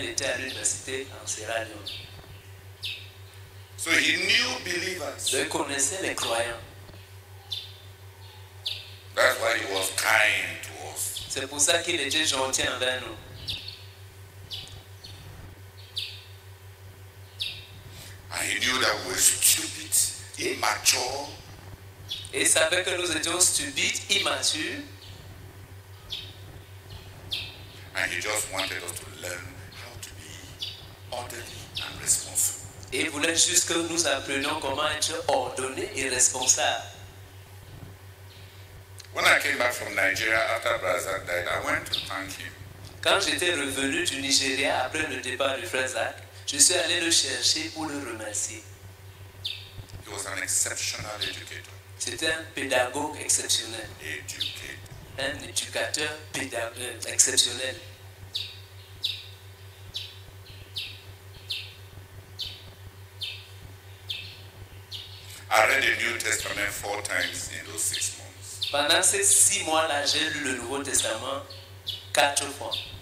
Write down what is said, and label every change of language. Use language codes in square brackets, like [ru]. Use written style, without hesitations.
[fr] Il était à l'université en Sierra Leone. [en] So he knew believers. [fr] Je connaissais les croyants. [en] That's why he was kind to us. [fr] C'est pour ça qu'il était gentil envers nous. [en] And he knew that we were stupid, immature. [fr] Et il savait que nous étions stupides, immatures. [en] And he just wanted us to learn how to be orderly and responsible. [fr] Et voulait juste que nous apprenions comment être ordonné et responsable. [en] When I came back from Nigeria after Brazil died, I went to thank him. [fr] Quand j'étais revenu du Nigeria après le départ du frère Zach, je suis allé le chercher pour le remercier. [en] He was an exceptional educator. [fr] C'était un pédagogue exceptionnel. [en] Educate. [fr] Un éducateur exceptionnel. [en] I read the New Testament 4 times in those 6 months. [fr] Pendant ces 6 mois, là, j'ai lu le Nouveau Testament 4 fois.